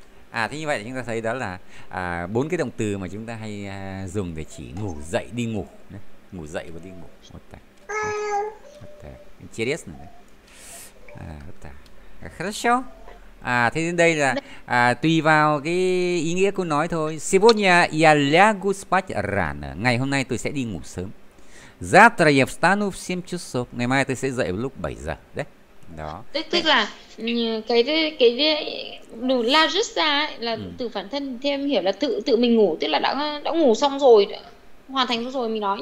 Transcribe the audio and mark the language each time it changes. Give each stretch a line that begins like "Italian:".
Vietnamese: À, thế như vậy chúng ta thấy đó là bốn cái động từ mà chúng ta hay dùng để chỉ ngủ dậy, đi ngủ. Đấy, ngủ dậy và đi ngủ.
Russian: Вот так. Вот так. Интересно. А, вот так. Хорошо.
Vietnamese: À, thế đến đây là tùy vào cái ý nghĩa câu nói thôi.
Russian: Сегодня я лягу спать рано.
Vietnamese: Ngày hôm nay tôi sẽ đi ngủ sớm.
Russian: Завтра я встану в 7 часов.
Vietnamese: Ngày mai tôi sẽ dậy vào lúc 7 giờ. Đấy. Đó. Tức là cái đủ la rút ra là từ phản thân, thì em hiểu là tự mình ngủ, tức là đã ngủ xong rồi, hoàn thành xong rồi mình nói.